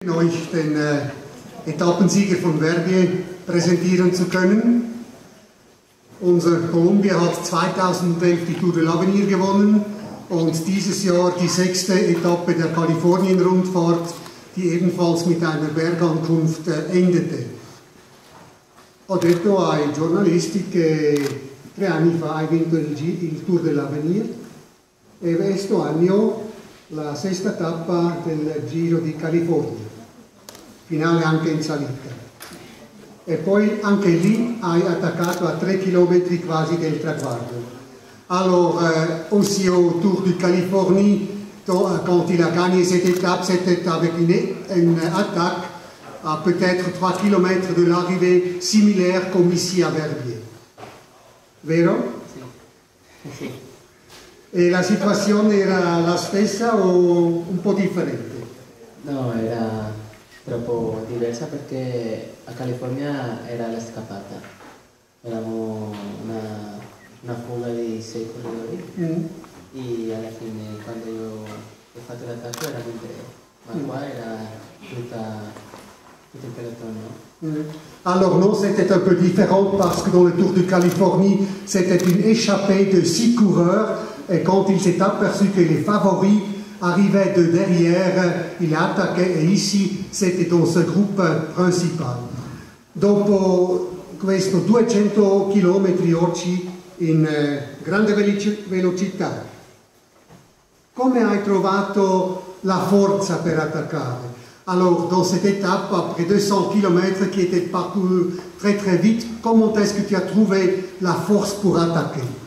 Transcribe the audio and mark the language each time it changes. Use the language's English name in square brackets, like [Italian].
[German] euch den Etappensieger von Verbier präsentieren zu können. Unser Kolumbier hat 2011 die Tour de l'Avenir gewonnen und dieses Jahr die sechste Etappe der Kalifornien-Rundfahrt, die ebenfalls mit einer Bergankunft endete. [Italian] Ho detto ai giornalisti che tre anni fa ha vinto il Tour de l'Avenir e questo anno la sesta tappa del Giro di California, finale anche in salita. E poi anche lì hai attaccato a 3 chilometri quasi del traguardo. [French] Allora, aussi au Tour de Californie, quand il a gagné cette étape, c'était avec une attaque à peut-être 3 km de l'arrivée, similaire comme ici à Verbier. [Italian] Vero? Sì. E la situazione era la stessa o un po' differente? No, era troppo diversa perché a California era la scappata. Eravamo una fuga di 6 corridori. E alla fine, quando io ho fatto l'attacco, era con 3. Ma qua era tutto il pelotone. [French] Allora, no, c'était un peu différent parce que dans le Tour de Californie, c'était une échappée de 6 coureurs. Et quand il s'est aperçu que les favoris arrivaient de derrière, il a attaqué, et ici, c'était dans ce groupe principal. [Italian] Dopo questo 200 km oggi, in grande velocità, come hai trovato la forza per attaccare? [French] Alors, dans cette étape, après 200 km qui était parcouru très très vite, comment est-ce que tu as trouvé la force pour attaquer?